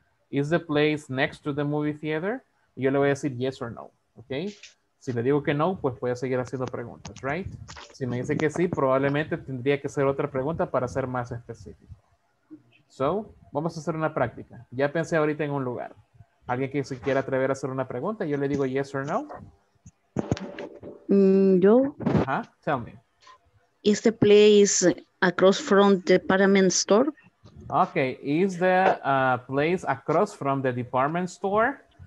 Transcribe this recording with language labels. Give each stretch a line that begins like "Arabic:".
English: Is the place next to the movie theater?
Spanish: Yo le voy a decir
English: yes or no.
Spanish: Okay. Si le digo que no, pues voy a seguir haciendo preguntas, right? Si me dice que sí, probablemente tendría que hacer otra pregunta para ser más específico. So, vamos a hacer una práctica. Ya pensé ahorita en un lugar. Alguien que se quiera atrever a hacer una pregunta, yo le digo
English: yes or no.
Spanish: Yo.
English: Uh-huh. Tell me. Is the place across from the department store? Okay. Is the place across from the department store?